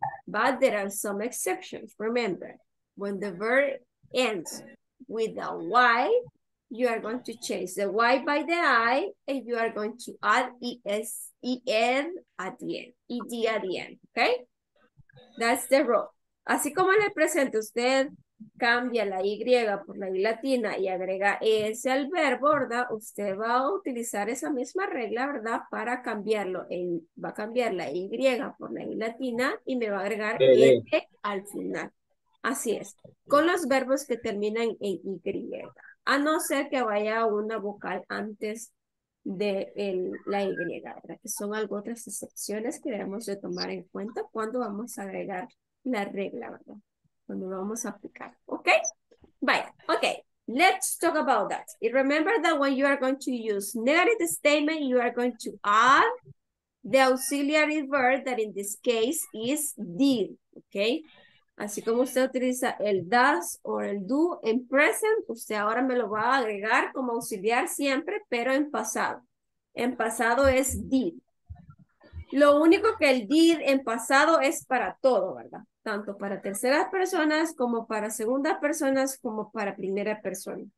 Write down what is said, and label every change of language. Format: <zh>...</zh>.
<en>But there are some exceptions. Remember, when the verb ends with a Y, you are going to change the Y by the I, and you are going to add E-N at the end, E-D at the end, okay? That's the rule.</en> <es>Así como le presento, usted cambia la Y por la Y latina y agrega ES al verbo, ¿verdad? Usted va a utilizar esa misma regla, ¿verdad? Para cambiarlo, va a cambiar la Y por la Y latina y me va a agregar ET al final. Así es. Con los verbos que terminan en Y, a no ser que vaya una vocal antes de la Y, ¿verdad? Que son algunas otras excepciones que debemos de tomar en cuenta cuando vamos a agregar la regla, ¿verdad? Cuando vamos a aplicar, ¿ok? Vaya,</es> <en>ok, let's talk about that. Y remember that when you are going to use negative statement, you are going to add the auxiliary verb that in this case is did, ¿ok?</en> <es>Así como usted utiliza el does o el do en present, usted ahora me lo va a agregar como auxiliar siempre, pero en pasado. En pasado es did. Lo único que el did en pasado es para todo, ¿verdad? Tanto para terceras personas como para segundas personas como para primera persona.</es>